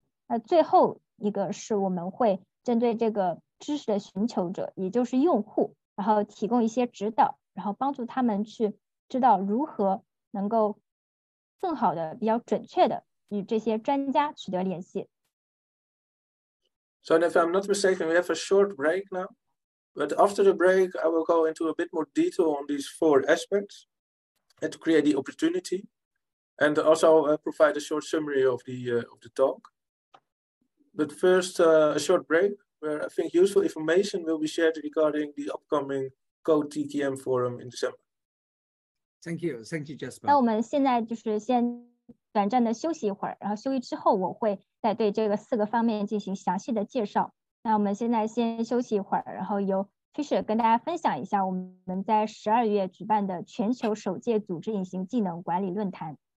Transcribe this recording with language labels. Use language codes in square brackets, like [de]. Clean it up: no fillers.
[zh] 那最后一个是我们会针对这个知识的寻求者，也就是用户，然后提供一些指导，然后帮助他们去知道如何能够更好的、比较准确的与这些专家取得联系。 [en] So if I'm not mistaken, we have a short break now. But after the break, I will go into a bit more detail on these four aspects and to create the opportunity and also provide a short summary of the talk. But first, a short break where I think useful information will be shared regarding the upcoming GO-TKM forum in December. Thank you, Jasper. [zh] 那我们现在就是先短暂的休息一会儿，然后休息之后我会再对这个四个方面进行详细的介绍。那我们现在先休息一会儿，然后由 Fisher 跟大家分享一下我们在12月举办的全球首届组织隐形技能管理论坛。